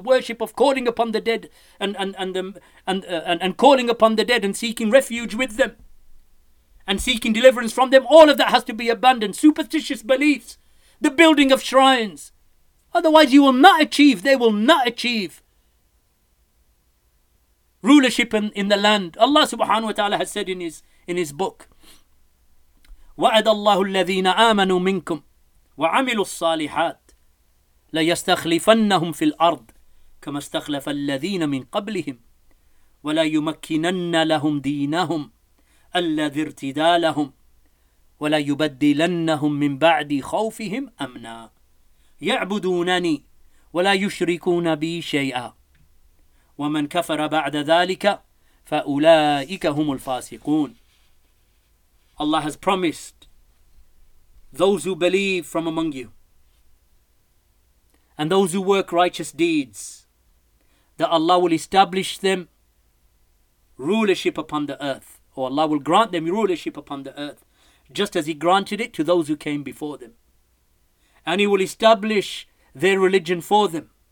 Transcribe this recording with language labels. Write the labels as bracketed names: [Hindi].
[English] The worship of calling upon the dead and calling upon the dead and seeking refuge with them and seeking deliverance from them. All of that has to be abandoned. Superstitious beliefs. The building of shrines. Otherwise you will not achieve. They will not achieve rulership in the land. Allah subhanahu wa ta'ala has said in his book, [Arabic] وَعَدَ اللَّهُ الَّذِينَ آمَنُوا مِنْكُمْ وعملوا الصالحات ليستخلفنهم في الأرض كما استخلف الذين من قبلهم ولا يمكنن لهم دينهم الذي ارتدى لهم ولا يبدلنهم من بعد خوفهم أمنا يعبدونني ولا يشركون بي شيئا ومن كفر بعد ذلك فأولئك هم الفاسقون. [English] Allah has promised those who believe from among you and those who work righteous deeds that Allah will establish them rulership upon the earth, or Allah will grant them rulership upon the earth just as He granted it to those who came before them, and He will establish their religion for them,